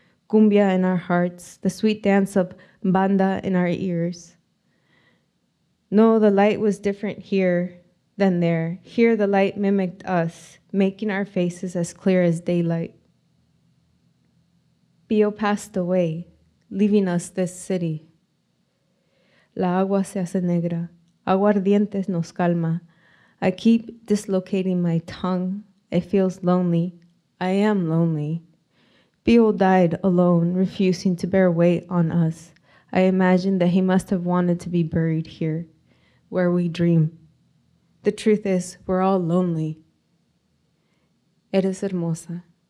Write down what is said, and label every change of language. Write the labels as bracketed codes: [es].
[en] Cumbia in our hearts, the sweet dance of banda in our ears. No, the light was different here than there. Here the light mimicked us, making our faces as clear as daylight. Pio passed away, leaving us this city. [es] La agua se hace negra, aguardientes nos calma. [en] I keep dislocating my tongue. It feels lonely. I am lonely. Pio died alone, refusing to bear weight on us. I imagine that he must have wanted to be buried here, where we dream. The truth is, we're all lonely. [es] Eres hermosa.